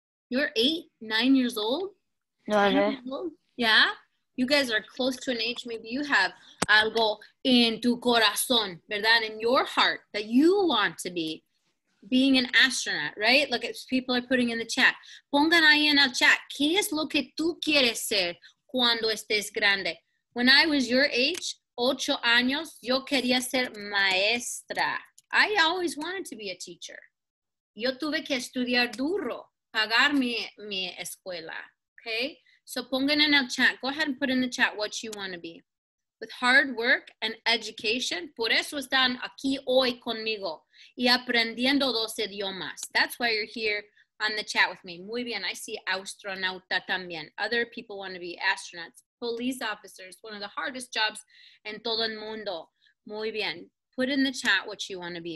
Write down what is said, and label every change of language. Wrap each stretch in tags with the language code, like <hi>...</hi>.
<en>You're 8, 9 years old?</en> <es>Nueve.</es> <en>Yeah? You guys are close to an age. Maybe you have</en> <es>algo en tu corazón, ¿verdad?</es> <en>In your heart that you want to be. Being an astronaut, right? Look, it's people are putting in the chat.</en> <es>Pongan ahí en el chat. ¿Qué es lo que tú quieres ser cuando estés grande?</es> <en>When I was your age,</en> <es>8 años, yo quería ser maestra.</es> <en>I always wanted to be a teacher.</en> <es>Yo tuve que estudiar duro, pagar mi escuela,</es> <en>okay? So</en> <es>pongan en el chat.</es> <en>Go ahead and put in the chat what you want to be. with hard work and education.</en> <es>Por eso están aquí hoy conmigo y aprendiendo dos idiomas.</es> <en>That's why you're here on the chat with me.</en> <es>Muy bien.</es> <en>I see astronauta</en> <es>también.</es> <en>Other people want to be astronauts. Police officers, one of the hardest jobs</en> <es>en todo el mundo. Muy bien.</es> <en>Put in the chat what you want to be.</en>